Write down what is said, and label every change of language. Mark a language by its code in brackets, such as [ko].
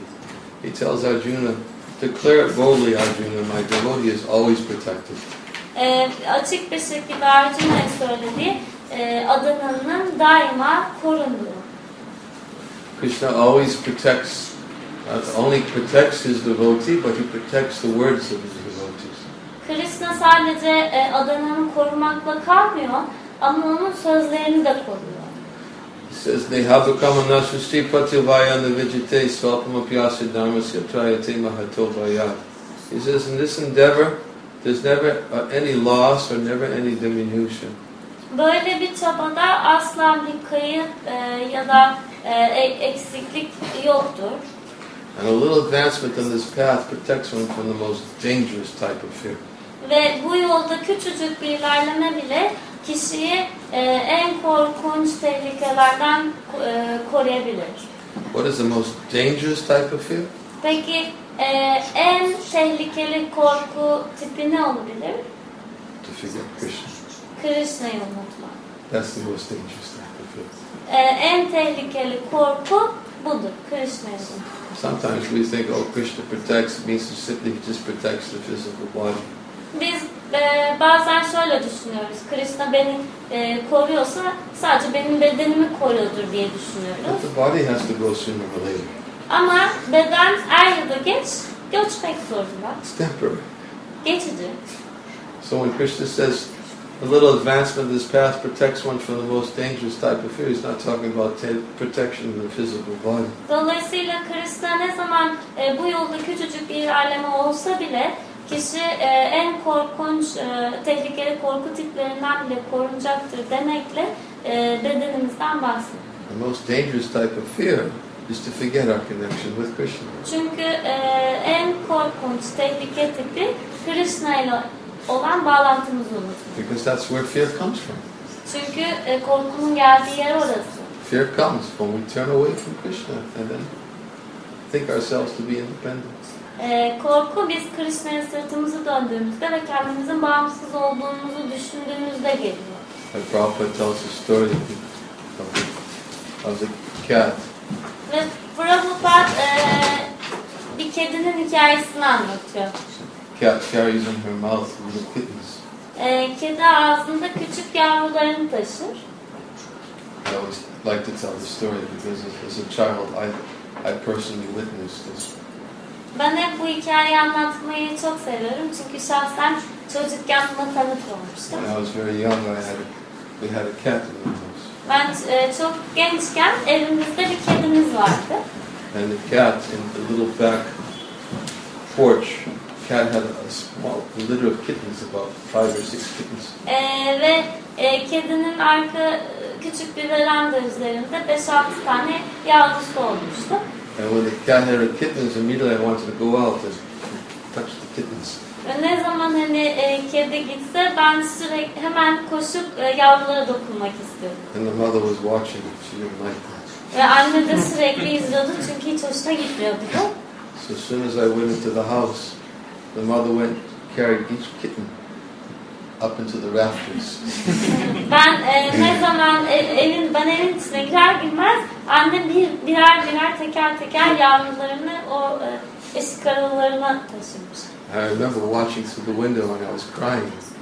[en] Krishna says, he tells Arjuna, declare it boldly, Arjuna, my devotee is always protected. [tr] Açık bir şekilde Arjuna söyledi, adanının daima korunduğu. [en] Krishna always protects, not only protects his devotee, but he protects the words of his devotees. [tr] Krishna sadece adananı korumakla kalmıyor, ama onun sözlerini de koruyor. [en] He says, [sa] "Nehabu kamanasu stipati vaya nevijite svapama piyasa dharmasya trayate mahatobaya." [en] He says, "In this endeavor, there's never any loss or never any diminution." [tr] Böyle bir çabada asla bir kayıp ya da eksiklik yoktur. [en] And a little advancement on this path protects one from the most dangerous type of fear. [tr] Ve bu yolda küçücük bir ilerleme bile kişiyi en korkunç tehlikelerden koruyabilir. [en] What is the most dangerous type of fear? [tr] Peki en tehlikeli korku tipi ne olabilir? [en] To forget Krishna. [tr] Krishna'yı unutmak. [en] That's the most dangerous type of fear. [tr] En tehlikeli korku budur, Krishna'yı unutmak. [en] Sometimes we think, oh, Krishna protects me, so simply he just protects the physical body. [tr] Biz bazen şöyle düşünüyoruz. Krishna beni koruyorsa sadece benim bedenimi koruyordur diye düşünüyoruz. [en] But the body has to go sooner or later. [tr] Ama beden er ya da geç göçmek zorunda. [en] It's temporary. [tr] Geçici. [en] So when Krishna says, a little advancement of this path protects one from the most dangerous type of fear. He's not talking about protection of the physical body. [tr] Dolayısıyla Krishna ne zaman bu yolda küçücük bir ilerleme olsa bile kişi en korkunç, tehlikeli korku tiplerinden bile korunacaktır demekle bedenimizden bahsediyor. [en] The most dangerous type of fear is to forget our connection with Krishna. [tr] Çünkü en korkunç, tehlike tipi Krishna ile olan bağlantımızı unutmak. [en] Because that's where fear comes from. [tr] Çünkü korkunun geldiği yer orası. [en] Fear comes when we turn away from Krishna and then think ourselves to be independent. [tr] Korku biz Krishna'ya sırtımızı döndüğümüzde ve kendimizin bağımsız olduğumuzu düşündüğümüzde geliyor. [en] Prabhupada tells a story of a cat. [tr] Ve Prabhupada bir kedinin hikayesini anlatıyor. [en] Cat carries in her mouth little kittens. [tr] Kedi ağzında küçük yavrularını taşır. [en] I always like to tell the story because as a child I personally witnessed this. [tr] Ben hep bu hikayeyi anlatmayı çok seviyorum çünkü şahsen çocukken buna tanık olmuştum. [en] When I was very young, we had a cat in the house. [tr] Ben çok gençken evimizde bir kedimiz vardı. [en] And the cat in the little back porch. Cat had a small litter of kittens, about 5 or 6 kittens. [tr] Ve kedinin arka küçük bir veranda üzerinde 5-6 tane yavrusu olmuştu. [en] And when the cat had her kittens, immediately I wanted to go out and touch the kittens. [tr] Ve ne zaman kedi gitse, ben sürekli hemen koşup yavrulara dokunmak istiyordum. [en] And the mother was watching. She didn't like that. [tr] Ve anne de sürekli izliyordu çünkü hiç hoşuna gitmiyordu. [en] So as soon as I went into the house, the mother went carried each kitten up into the rafters. [tr] Ben ne zaman evin içine girer girmez anne birer teker yavrularını o eski karınlarına taşımış. [en] I remember watching through the window and I was crying.